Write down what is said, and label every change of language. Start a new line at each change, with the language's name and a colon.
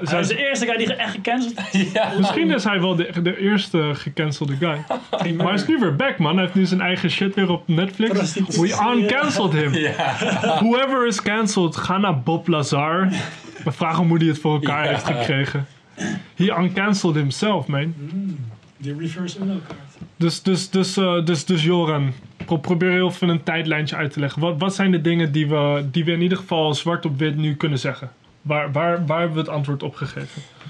Dutch: Hij is de eerste guy die echt gecanceld is. Ja. Misschien is hij wel de eerste gecancelde guy. Maar hij is nu weer
English: back, man.
Dutch: Hij heeft nu zijn eigen shit weer op Netflix.
English: We uncanceled him. Yeah. Whoever is cancelled,
Dutch: ga naar Bob Lazar. We vragen hoe hij het voor elkaar heeft gekregen.
English: He uncanceled himself, man. The reverse window card.
Dutch: Dus Joran... Probeer heel even een tijdlijntje uit te leggen. Wat zijn de dingen die we in ieder geval zwart op wit nu kunnen zeggen? Waar hebben we het antwoord op gegeven?